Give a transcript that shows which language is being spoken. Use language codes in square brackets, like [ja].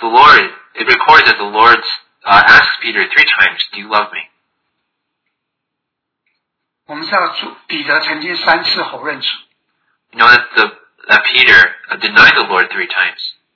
[en] The Lord, it records that the Lord asked Peter three times, "Do you love me?" [zh] 我们知道彼得曾经三次否认主。 [en] You know that Peter denied the Lord three times.